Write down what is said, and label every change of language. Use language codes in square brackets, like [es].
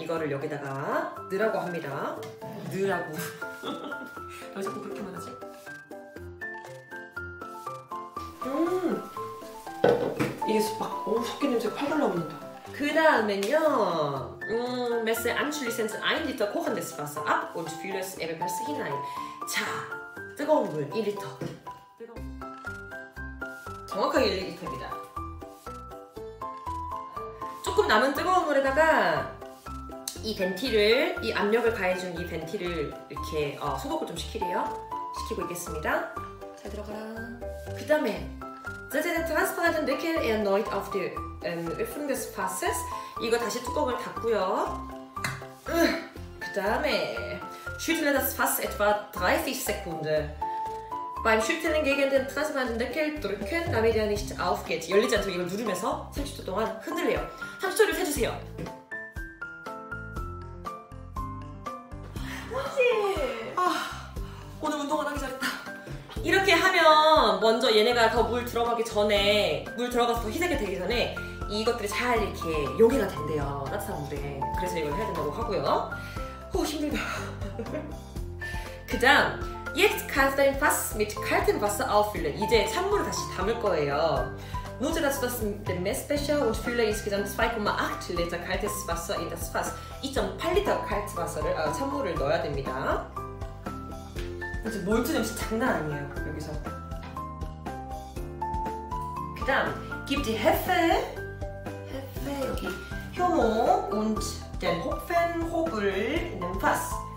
[ko] 이거를 여기다가 넣으라고 합니다. 넣으라고. 왜 자꾸 그렇게 말하지? 이게 막 섞인 냄새 팔 올라오는다. 그 다음은요, [de] messe anschließend 1L kochendes Wasser ab und fülle es ebenfalls hinein. [ko] 자, 뜨거운 물, 1L. 정확하게 1L입니다. 조금 남은 뜨거운 물에다가 이 벤티를, 이 압력을 가해준 이 벤티를 이렇게 소독을 좀 시키래요. 시키고 있겠습니다. 잘 들어가라. 그 다음에, [de] Setze den transparenten Deckel erneut auf die Öffnung des Fasses. [ko] 이거 다시 뚜껑을 닫고요. 그 다음에 [de] Schüttle das Fass etwa 30 Sekunden. Beim Schütteln gegen den transparenten Deckel drücken, damit er nicht aufgeht. [ko] 열리지 않도록 이걸 누르면서 30초 동안 흔들려요. 30초를 해주세요. 혹시 오늘 운동 안 하기 잘했다. 이렇게 하면 먼저 얘네가 더 물 들어가기 전에 물 들어가서 더 희석이 되기 전에 이것들이 잘 이렇게 요게가 된대요. 따뜻한 물에. 그래서 이걸 해야 된다고 하고요. 오, 힘들다. 그 다음 [de] Jetzt kannst du dein Fass mit kaltem Wasser auffüllen. [ko] 이제 찬물을 다시 담을 거예요. [de] Nur so, dass du das mit dem Messbecher und Füller insgesamt 2,8 Liter kaltes Wasser in das Fass. 2,8 Liter kaltes Wasser, [ko] 찬물을 넣어야 됩니다. 이제 몰트 냄새 장난 아니에요, 여기서. 그 다음, [de] gib die Hefe. Hefe, [ko] 여기. [de] 효모 und den Hopfenhobel in den Fass.